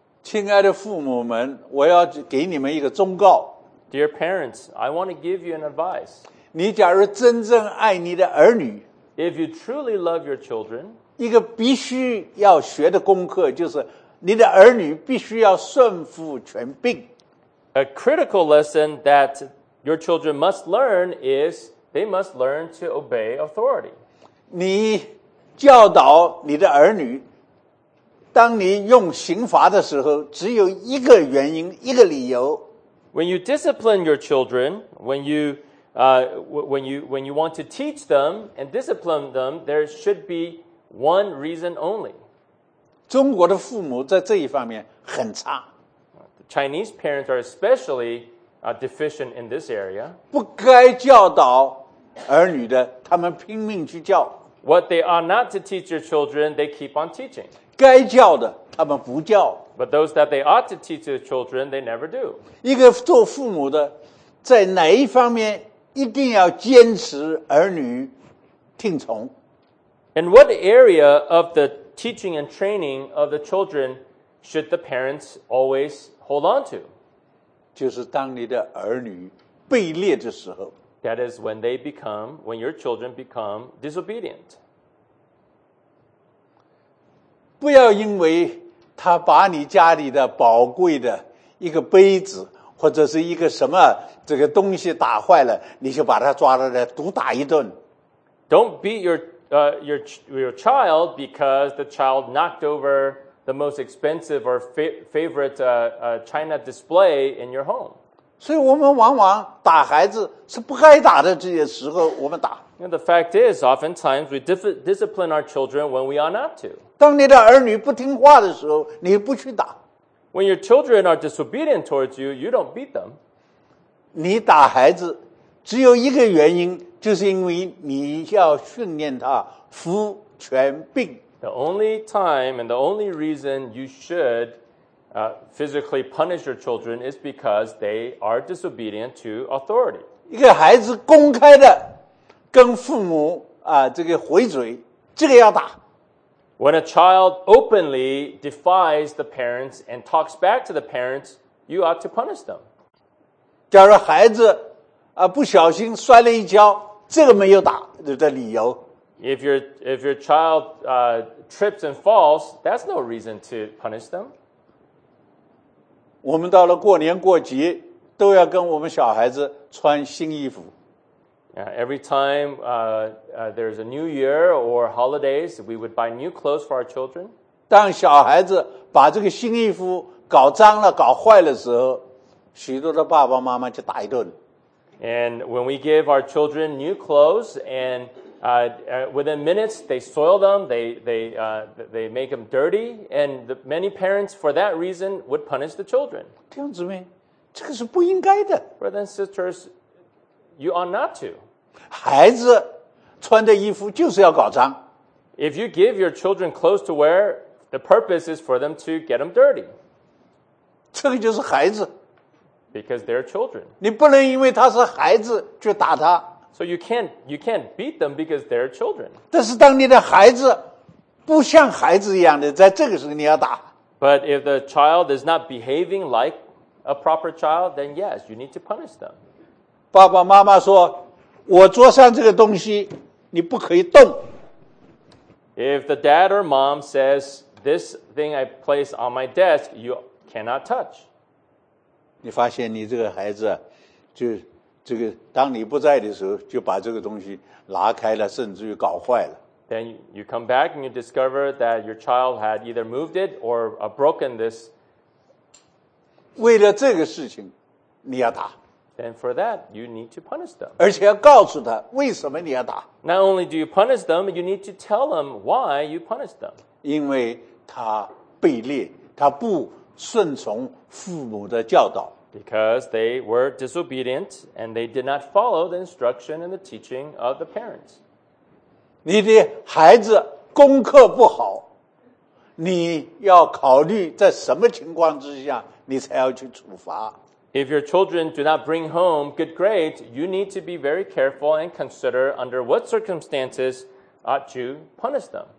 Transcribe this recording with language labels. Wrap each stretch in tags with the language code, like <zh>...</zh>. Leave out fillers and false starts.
<zh>亲爱的父母们，我要给你们一个忠告。</zh> <en>Dear parents, I want to give you an advice.</en> <zh>你假如真正爱你的儿女，</zh> <en>If you truly love your children,</en> <zh>一个必须要学的功课就是你的儿女必须要顺服权柄。</zh> <en>A critical lesson that your children must learn is they must learn to obey authority.</en> <zh>你教导你的儿女，当你用刑罚的时候，只有一个原因，一个理由。</zh> <en>When you discipline your children, when you want to teach them and discipline them, there should be one reason only.</en> <zh>中国的父母在这一方面很差。</zh> <en>Chinese parents are especially deficient in this area.</en> <zh>不该教导儿女的，他们拼命去教。</zh> <en>What they are not to teach your children, they keep on teaching.</en> <zh>该教的他们不教。</zh> <en>But those that they ought to teach their children, they never do.</en> <zh>一个做父母的在哪一方面一定要坚持儿女听从。</zh> <en>In what area of the teaching and training of the children should the parents always hold on to?</en> <zh>就是当你的儿女背逆的时候。</zh> <en>That is when they become, when your children become disobedient.</en> <zh>不要因为他把你家里的宝贵的一个杯子或者是一个什么这个东西打坏了，你就把他抓了来毒打一顿。</zh> <en>Don't beat your child because the child knocked over the most expensive or favorite China display in your home.</en> <zh>所以我们往往打孩子是不该打的这些时候我们打。</zh> <en>And the fact is, oftentimes we discipline our children when we ought not to.</en> <zh>当你的儿女不听话的时候你不去打。</zh> <en>When your children are disobedient towards you, you don't beat them.</en> <zh>你打孩子只有一个原因，就是因为你要训练他服权柄。</zh> <en>The only time and the only reason you shouldphysically punish your children is because they are disobedient to authority.</en> <zh>一个孩子公开的跟父母这个回嘴，这个要打。</zh> <en>When a child openly defies the parents and talks back to the parents, you ought to punish them.</en> <zh>假如孩子不小心摔了一跤，这个没有打的理由。</zh> <en>If your child trips and falls, that's no reason to punish them.</en> <zh>我们到了过年过节，都要跟我们小孩子穿新衣服。</zh> <en>Every time there's a new year or holidays, we would buy new clothes for our children.</en> <zh>当小孩子把这个新衣服搞脏了、搞坏的时候，许多的爸爸妈妈就打一顿。</zh> <en>And when we give our children new clothes, and within minutes they soil them, they make them dirty, and many parents for that reason would punish the children.</en> <zh>弟兄姊妹，这个是不应该的。</zh> <en>Brothers and sisters, you ought not to.</en> <zh>孩子穿的衣服就是要搞脏。</zh> <en>If you give your children clothes to wear, the purpose is for them to get them dirty.</en> <zh>这个就是孩子。</zh> <en>Because they're children.</en> <zh>你不能因为他是孩子就打他。</zh> <en>So you can't beat them because they're children.</en> <zh>但是当你的孩子不像孩子一样的，在这个时候你要打。</zh> <en>But if the child is not behaving like a proper child, then yes, you need to punish them.</en> <zh>爸爸妈妈说，我桌上这个东西你不可以动。</zh> <en>If the dad or mom says, this thing I place on my desk, you cannot touch.</en> <zh>你发现你这个孩子就这个当你不在的时候就把这个东西拿开了甚至于搞坏了。</zh> <en>Then you come back and you discover that your child had either moved it or broken this.</en> <zh>为了这个事情你要打。</zh> <en>Then for that, you need to punish them.</en> <zh>而且要告诉他为什么你要打。</zh> <en>Not only do you punish them, you need to tell them why you punish them.</en> <zh>因为他悖逆，他不顺从父母的教导。</zh> <en>Because they were disobedient and they did not follow the instruction and the teaching of the parents.</en> <zh>你的孩子功课不好，你要考虑在什么情况之下你才要去处罚。</zh> <en>If your children do not bring home good grades, you need to be very careful and consider under what circumstances ought to punish them.</en>